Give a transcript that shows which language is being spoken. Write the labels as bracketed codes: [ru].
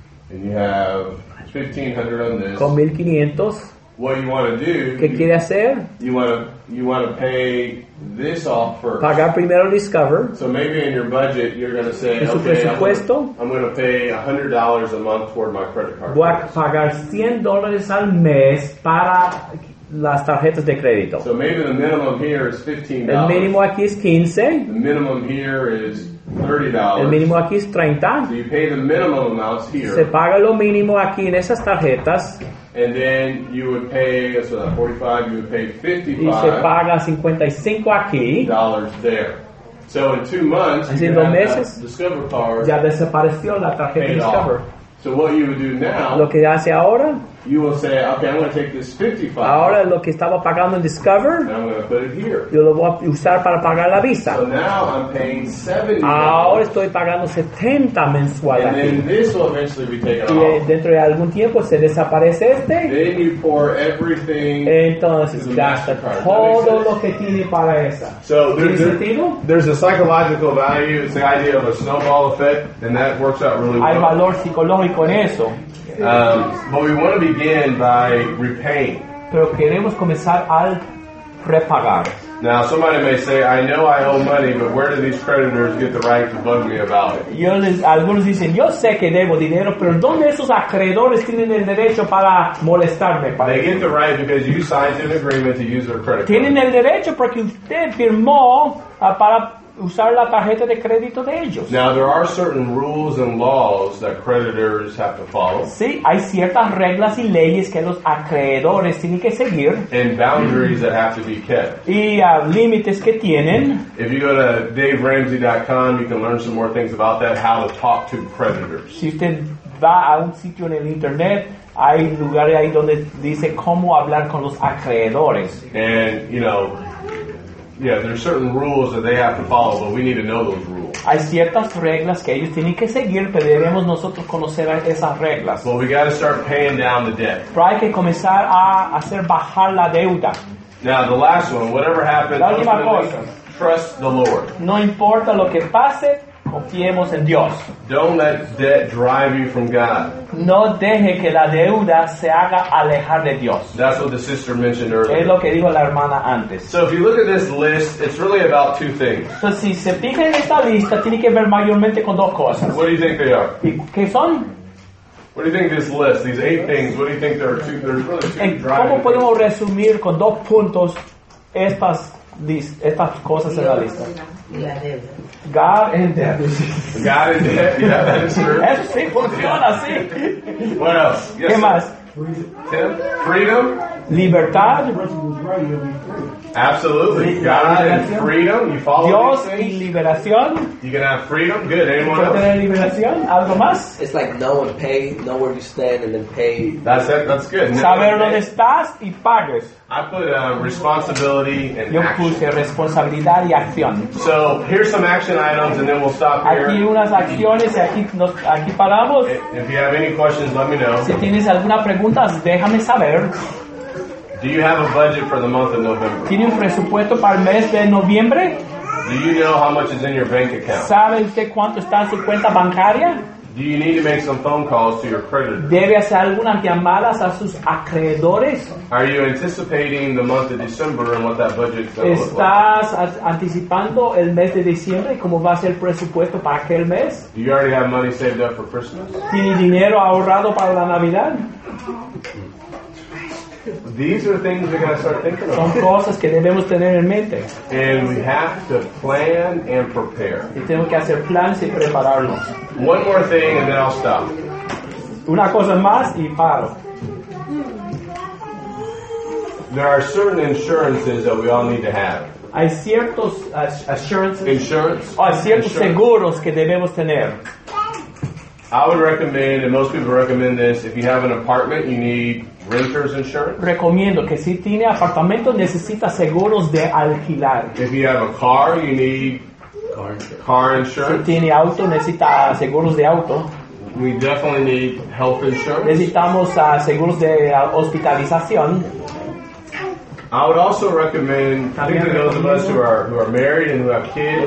[en] And you have $1,500 on this. [es] Con $1,500. [en] What you want to do? [es] ¿Qué quiere hacer? [en] You want to pay this off first. [es] Pagar primero Discover. [en] So maybe in your budget you're going to say, [es] ¿en su presupuesto? [en] Okay, I'm going to pay $100 a month toward my credit card. [es] Voy a pagar $100 al mes para las tarjetas de crédito. [en] So maybe the minimum here is $15. [es] El mínimo aquí es 15. [en] The minimum here is $30. [es] El mínimo aquí es 30. [en] So you pay the minimum amounts here. [es] Se paga lo mínimo aquí en esas tarjetas. [en] And then you would pay, so that 45, you would pay $55. [es] Y se paga 55 aquí. [en] Dollars there. So in 2 months, [es] así [en] you have [es] meses, [en] that Discover card. [es] Ya desapareció la tarjeta Discover. [en] So what you would do now, [es] lo que hace ahora, [en] you will say, okay, I'm going to take this $55. [es] Ahora lo que estaba pagando en Discover, [en] and I'm going to put it here. [es] Yo lo voy a usar para pagar la Visa. [en] So now I'm paying $70. [es] Ahora estoy pagando 70 mensual. [en] And [es] aquí. [en] Then this will eventually be taken off. [es] Y dentro de algún tiempo se desaparece este. [en] Then you pour everything. [es] Entonces gasta todo lo que tiene para esa. [en] So there's a psychological value. It's the idea of a snowball effect, and that works out really well. [es] Hay valor psicológico en eso. [en] But we want to begin by repaying. [es] Pero queremos comenzar al prepagar. [en] Now, somebody may say, I know I owe money, but where do these creditors get the right to bug me about it? [es] Algunos dicen, yo sé que debo dinero, pero ¿dónde esos acreedores tienen el derecho para molestarme? [en] They get the right because you signed an agreement to use their credit card. [es] Tienen el derecho porque usted firmó para usar la tarjeta de crédito de ellos. [en] Now, there are certain rules and laws that creditors have to follow. [es] Sí, hay ciertas reglas y leyes que los acreedores tienen que seguir. [en] And boundaries that have to be kept. [es] Y límites que tienen. [en] If you go to DaveRamsey.com, you can learn some more things about that, how to talk to creditors. [es] Si usted va a un sitio en el internet, hay lugares ahí donde dice cómo hablar con los acreedores. [en] And, you know, yeah, there are certain rules that they have to follow, but we need to know those rules. [es] hay ciertas reglas que ellos tienen que seguir, pero debemos nosotros conocer esas reglas. [en] Well, we got to start paying down the debt. [es] Pero hay que comenzar a hacer bajar la deuda. [en] Now, the last one, whatever happens, trust the Lord. [es] No importa lo que pase, confiemos en Dios. [en] Don't let debt drive you from God. [es] No deje que la deuda se haga alejar de Dios. [en] That's what the sister mentioned earlier. [es] Es lo que dijo la hermana antes. [en] So if you look at this list, it's really about two things. [es] So si se fija en esta lista, tiene que ver mayormente con dos cosas. [en] What do you think they are? [es] ¿Qué son? [en] What do you think this list, these eight things, what do you think there are two, there's really two driving things? [es] ¿Cómo podemos resumir con dos puntos estas cosas en la lista? [en] God and debt. God and debt, yeah, that is true. [es] Eso sí funciona, sí. [en] What else? [es] Yes, ¿qué más? [en] Tim? Freedom? [es] Libertad? [en] Absolutely. God and freedom. You follow [es] Dios y liberación. [en] You can have freedom. Good. Anyone else? [es] ¿Tener liberación? ¿Algo más? [en] It's like know and pay. Know where you stand and then pay. That's it. That's good. [es] Saber dónde estás y pagues. [en] I put responsibility and [es] yo puse responsabilidad y acción. [en] So here's some action items and then we'll stop here. [es] Aquí unas acciones y aquí paramos. [en] If you have any questions, let me know. [es] Si tienes alguna pregunta, déjame saber. [en] Do you have a budget for the month of November? [es] ¿Tiene un presupuesto para el mes de noviembre? [en] Do you know how much is in your bank account? [es] ¿Sabe usted cuánto está en su cuenta bancaria? [en] Do you need to make some phone calls to your creditors? [es] ¿Debe hacer algunas llamadas a sus acreedores? [en] Are you anticipating the month of December and what that budget is going to look like? [es] ¿Estás anticipando el mes de diciembre y cómo va a ser el presupuesto para aquel mes? [en] Do you already have money saved up for Christmas? [es] ¿Tiene dinero ahorrado para la Navidad? [en] These are things we got to start thinking about. [es] Son cosas que debemos tener en mente. [en] And we have to plan and prepare. [es] Y tenemos que hacer planes y prepararnos. [en] One more thing and then I'll stop. [es] Una cosa más y paro. [en] There are certain insurances that we all need to have. [es] Hay ciertos assurances. [en] Insurance. [es] Oh, hay ciertos insurance. Seguros que debemos tener. [en] I would recommend, and most people recommend this, if you have an apartment, you need renter's insurance. [es] Recomiendo que si tiene apartamento, necesita seguros de alquilar. [en] If you have a car, you need car insurance. [es] Si tiene auto, necesita seguros de auto. [en] We definitely need health insurance. [es] Necesitamos seguros de hospitalización. [en] I would also recommend, particularly those of us who are married and who have kids,